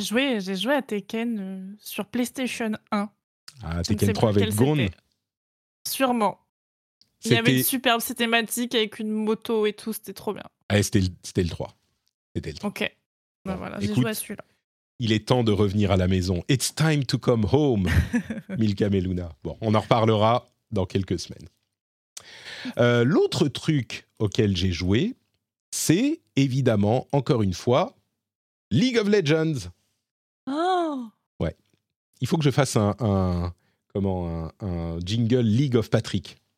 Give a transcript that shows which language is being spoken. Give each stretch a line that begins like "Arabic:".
French: J'ai joué à Tekken sur PlayStation 1. Ah, je Tekken 3 avec Gon. Sûrement. C'était... Il y avait une superbe cinématique avec une moto et tout, c'était trop bien. Ah, c'était le 3. C'était le 3. Ok. Ouais. Ben voilà, j'ai joué à celui-là. Il est temps de revenir à la maison.
English: It's time to come home, Milka Meluna.
French: Bon, on en reparlera dans quelques semaines. L'autre truc auquel j'ai joué, c'est évidemment, encore une fois, League of Legends. Oh. Ouais. Il faut que je fasse un jingle League of Patrick.